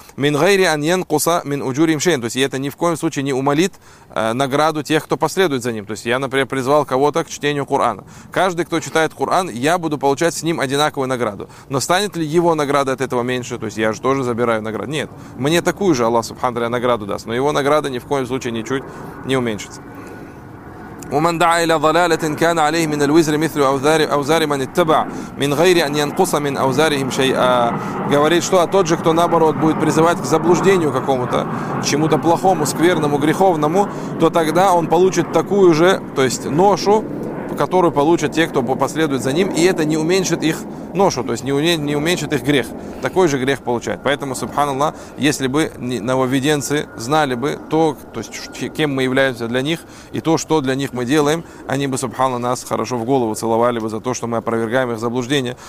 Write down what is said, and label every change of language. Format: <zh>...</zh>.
<ar>«Мин гайри ан янкуса мин уджури мшейн».</ar> <ru>То есть, это ни в коем случае не умолит награду тех, кто последует за ним. То есть, я, например, призвал кого-то к чтению Корана. Каждый, кто читает Коран, я буду получать с ним одинаковую награду. Но станет ли его награда от этого меньше? То есть, я же тоже забираю награду. Нет. Мне такую же Аллах субхана ва тааля награду даст. Но его награда ни в коем случае ничуть не уменьшится.</ru> <ar>ومن دعا الى ضلاله كان عليه من الوزر مثل اوزار من اتبع من غير ان ينقص من اوزارهم شيئا.</ar> <ru>Говорит, что тот же, кто наоборот будет призывать к заблуждению какому-то, чему-то плохому, скверному, греховному, то тогда он получит такую же, то есть, ношу, которую получат те, кто последует за ним, и это не уменьшит их ношу, то есть не уменьшит их грех. Такой же грех получает. Поэтому, субханаллах, если бы нововведенцы знали бы то есть, кем мы являемся для них, и то, что для них мы делаем, они бы, субханаллах, нас хорошо в голову целовали бы за то, что мы опровергаем их заблуждение.</ru>